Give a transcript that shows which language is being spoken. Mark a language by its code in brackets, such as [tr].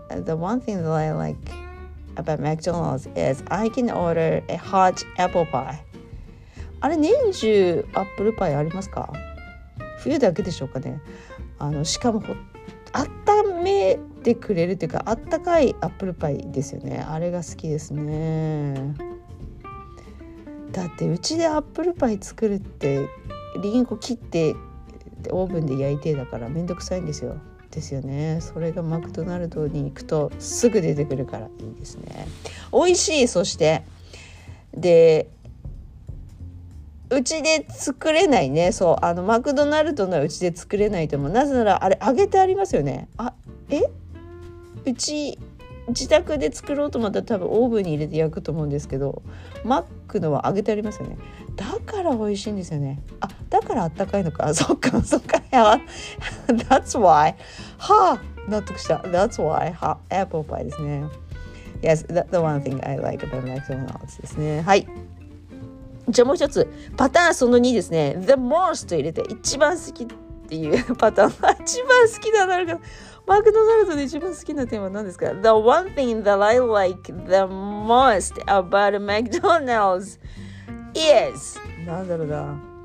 [en] The one thing that I like about McDonald's is I can order a hot apple pie。 [ja] あれ年中アップルパイありますか。冬だけでしょうかね。しかも温めてくれるというか、あったかいアップルパイですよね。あれが好きですね。だってうちでアップルパイ作るってリンゴ切ってオーブンで焼いてだからめんどくさいんですよ。ですよね。それがマクドナルドに行くとすぐ出てくるからいいですね。美味しい。そしてでうちで作れないね。そう、マクドナルドのうちで作れないと思う。なぜならあれ揚げてありますよね。うち自宅で作ろうと思ったら多分オーブンに入れて焼くと思うんですけど、マックのは揚げてありますよね。だから美味しいんですよね。あ、だからあったかいのか。そっかそっか。 That's why。はぁ、納得した。That's why。はぁ、apple pie ですね。 [en] Yes, that's the one thing I like about McDonald's ですね。 [ja] はい、じゃあもう一つパターンその2ですね。 The most と入れて一番好きっていうパターン。一番好きなのか、マクドナルドで一番好きな点は何ですか。 [en] The one thing that I like the most about McDonald's is なんだろうな。